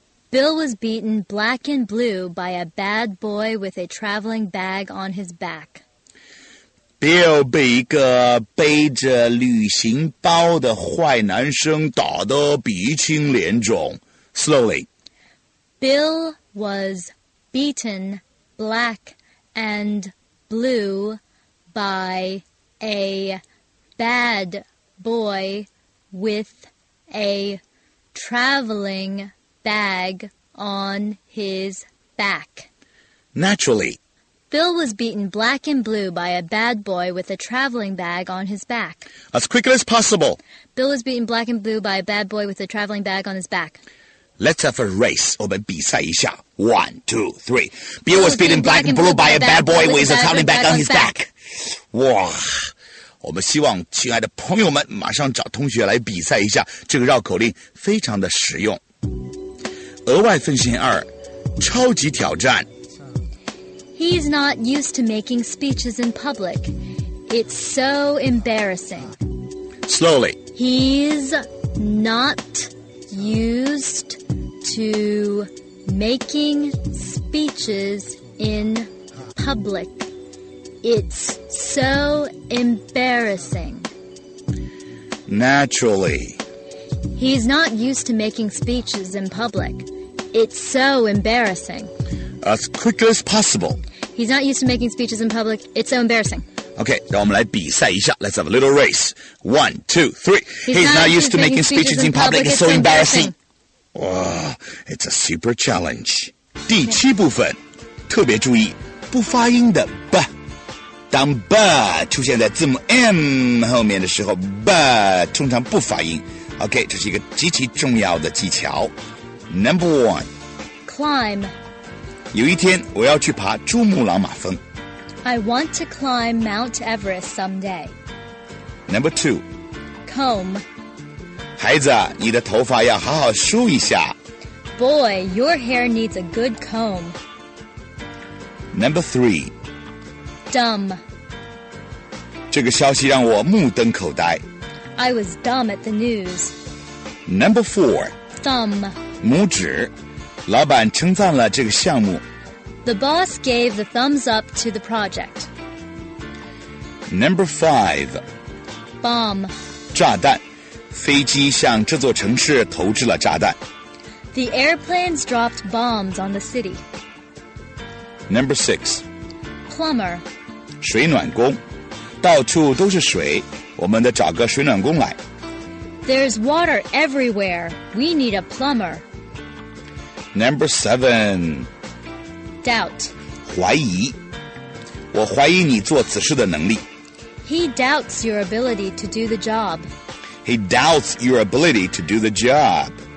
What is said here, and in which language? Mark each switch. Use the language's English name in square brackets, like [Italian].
[English] Bill was beaten black and blue by a bad boy with a traveling bag on his back. [Chinese] Bill 被一个背着旅行包的坏男生打得鼻青脸肿。 [English] Slowly. Bill was beaten black and blue by a bad boy with a traveling bag on his back. Naturally. Bill was beaten black and blue by a bad boy with a traveling bag on his back. As quickly as possible. Bill was beaten black and blue by a bad boy with a traveling bag on his back. Let's have a race. [Chinese] 我们比赛一下。 [English] One, two, three. Bill was beaten black and blue by a bad boy with a traveling bag on his back. [Chinese] 哇，我们希望亲爱的朋友们马上找同学来比赛一下。这个绕口令非常的实用。额外分析二，超级挑战。 [English] He's not used to making speeches in public. It's so embarrassing. Slowly. He's not used to making speeches in public. It's so embarrassing. Naturally. He's not used to making speeches in public. It's so embarrassing. As quick as possible. He's not used to making speeches in public. It's so embarrassing. Okay, [Chinese] 让我们来比赛一下。 [English] Let's have a little race. One, two, three. He's not used to making speeches in public. It's so embarrassing. Wow, it's a super challenge. [Chinese] 第七部分，特别注意不发音的 b. 当 b 出现在字母 m 后面的时候 ，b 通常不发音。 Okay, 这是一个极其重要的技巧。 [English] Number one. Climb. [Chinese] 有一天我要去爬珠穆朗玛峰。 [English] I want to climb Mount Everest someday. Number two. Comb. [Chinese] 孩子，你的头发要好好梳一下。 [English] Boy, your hair needs a good comb. Number three. Dumb. [Chinese] 这个消息让我目瞪口呆。 [English] I was dumb at the news. Number four. Thumb. [Chinese] 拇指。老板称赞了这个项目。 [English] The boss gave the thumbs up to the project. Number five. Bomb. [Chinese] 炸弹。飞机向这座城市投掷了炸弹。 [English] The airplanes dropped bombs on the city. Number six. Plumber. [Chinese] 水暖工。到处都是水，我们得找个水暖工来。 [English] There's water everywhere. We need a plumber. Number seven. Doubt. [Chinese] 怀疑。我怀疑你做此事的能力。 [English] He doubts your ability to do the job. He doubts your ability to do the job.